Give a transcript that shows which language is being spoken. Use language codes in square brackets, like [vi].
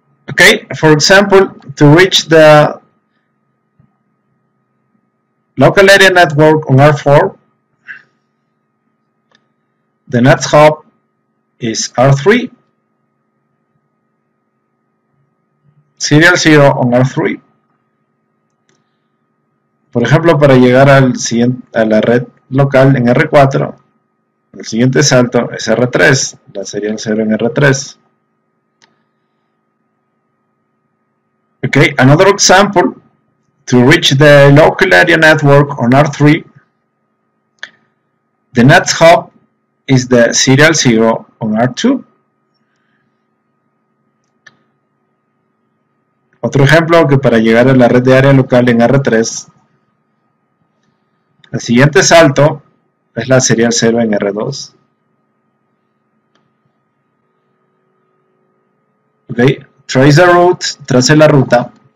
[en] Okay, for example, to reach the local area network on R4, the next hop is R3, serial 0 on R3. [es] Por ejemplo, para llegar al siguiente, a la red local en R4, el siguiente salto es R3, la serial 0 en R3. [en] Okay, another example, to reach the local area network on R3, the next hop is the serial 0 on R2. [es] Otro ejemplo, que para llegar a la red de área local en R3, el siguiente salto es la serial 0 en R2. [en] Okay, trace the route, [es] trace la ruta.